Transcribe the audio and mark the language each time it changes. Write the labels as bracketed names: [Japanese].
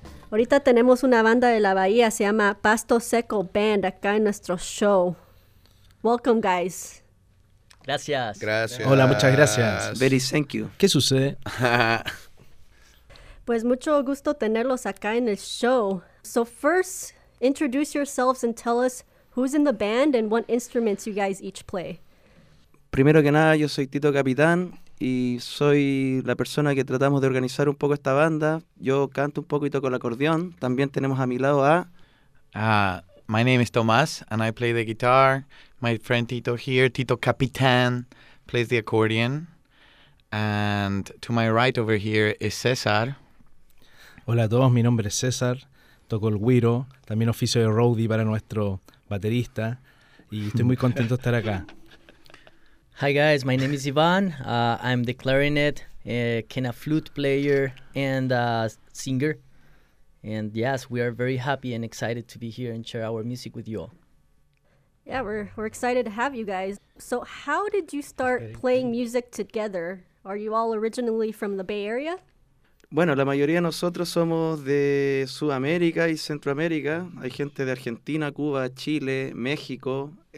[Spanish] Ahorita tenemos una banda de la Bahía, se llama Pasto Seco Band, acá en nuestro show. [English] Welcome, guys. [Spanish] Gracias. Gracias. Hola, muchas gracias. [English] Very thank you. [Spanish] ¿Qué sucede? Pues mucho gusto tenerlos acá en el show. [English] So first, introduce yourselves and tell us who's in the band and what instruments you guys each play. [Spanish] Primero que nada, yo soy Tito Capitán y soy la persona que tratamos de organizar un poco esta banda. Yo canto un poco y toco el acordeón. También tenemos a mi lado a... [English] My name is Tomás and I play the guitar. My friend Tito here, Tito Capitán, plays the accordion. And to my right over here is César. [Spanish] Hola a todos, mi nombre es César, toco el güiro, también oficio de roadie para nuestro baterista, y estoy muy contento de estar acá. [English] Hi guys, my name is Iván, I'm the clarinet, kind of flute player and singer, and yes, we are very happy and excited to be here and share our music with you all. Yeah, we're excited to have you guys. So how did you start playing music together? Are you all originally from the Bay Area? [Spanish] Bueno, la mayoría de nosotros somos de Sudamérica y Centroamérica. Hay gente de Argentina, Cuba, Chile, México.